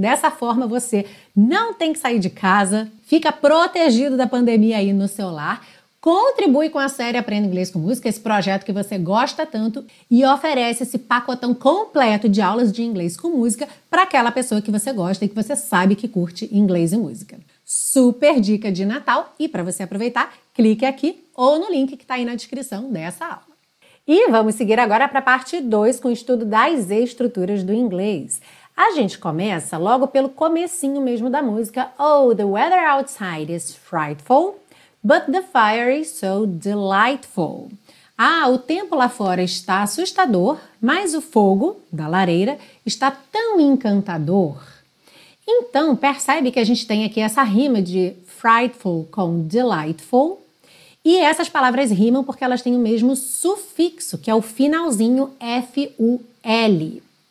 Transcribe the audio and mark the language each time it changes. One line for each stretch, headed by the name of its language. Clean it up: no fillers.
Portuguese: Dessa forma, você não tem que sair de casa, fica protegido da pandemia aí no seu lar, contribui com a série Aprenda Inglês com Música, esse projeto que você gosta tanto, e oferece esse pacotão completo de aulas de inglês com música para aquela pessoa que você gosta e que você sabe que curte inglês e música. Super dica de Natal, e para você aproveitar, clique aqui ou no link que está aí na descrição dessa aula. E vamos seguir agora para a parte 2 com o estudo das estruturas do inglês. A gente começa logo pelo comecinho mesmo da música.
English: Oh, the weather outside is frightful, but the fire is so delightful.
Portuguese: Ah, o tempo lá fora está assustador, mas o fogo da lareira está tão encantador. Então, percebe que a gente tem aqui essa rima de frightful com delightful. E essas palavras rimam porque elas têm o mesmo sufixo, que é o finalzinho F-U-L.